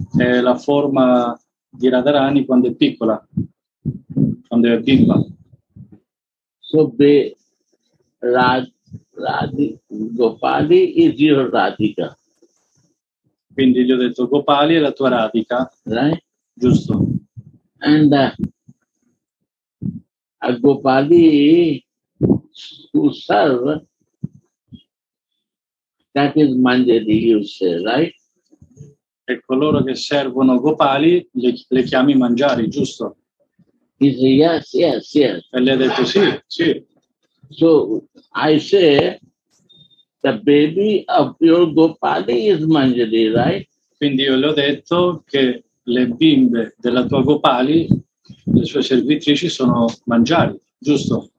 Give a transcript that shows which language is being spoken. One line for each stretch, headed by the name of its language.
Italian: È la forma di Radharani quando è piccola, quando è bimba.
English: So be, Rad, Gopali is your Radhika.
Italian: Quindi gli ho detto Gopali è la tua Radhika.
English: Right?
Italian: Giusto.
English: And a Gopali who serve, that is Manjari, you say, right?
Italian: E coloro che servono Gopali le chiami Manjari, giusto?
English: He said, yes, yes, yes.
Italian: E lei ha detto sì, sì.
English: So I say, the baby of your Gopali is Manjari, right?
Italian: Quindi io le ho detto che le bimbe della tua Gopali, le sue servitrici, sono Manjari, giusto?